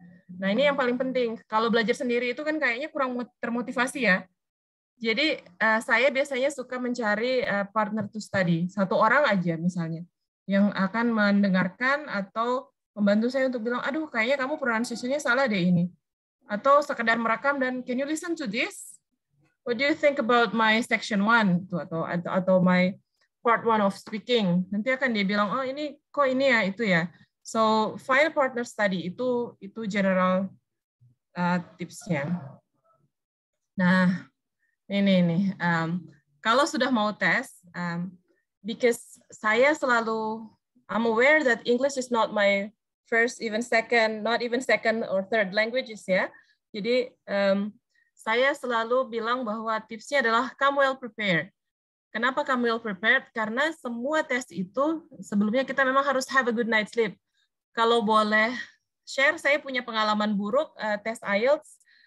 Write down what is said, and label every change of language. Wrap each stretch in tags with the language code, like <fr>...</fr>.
<id>Nah, ini yang paling penting. Kalau belajar sendiri itu kan kayaknya kurang termotivasi ya. Jadi saya biasanya suka mencari partner</id> <en>to study.</en> <id>Satu orang aja misalnya yang akan mendengarkan atau membantu saya untuk bilang, aduh, kayaknya kamu pronunciation-nya salah deh ini. Atau sekedar merekam dan,</id> <en>can you listen to this? What do you think about my section one?</en> <id>Atau</id> <en>my part one of speaking?</en> <id>Nanti akan dia bilang, oh, ini kok ini ya, itu ya. So, file partner study itu general tipsnya. Nah, ini. Kalau sudah mau tes,</id> <en>because saya selalu, I'm aware that English is not my first, even second, not even second or third languages ya.</en> <id>Jadi saya selalu bilang bahwa tipsnya adalah</id> <en>come well prepared.</en> <id>Kenapa</id> <en>come well prepared?</en> <id>Karena semua tes itu sebelumnya kita memang harus</id> <en>have a good night's sleep.</en> <id>Kalau boleh share, saya punya pengalaman buruk tes IELTS.</id>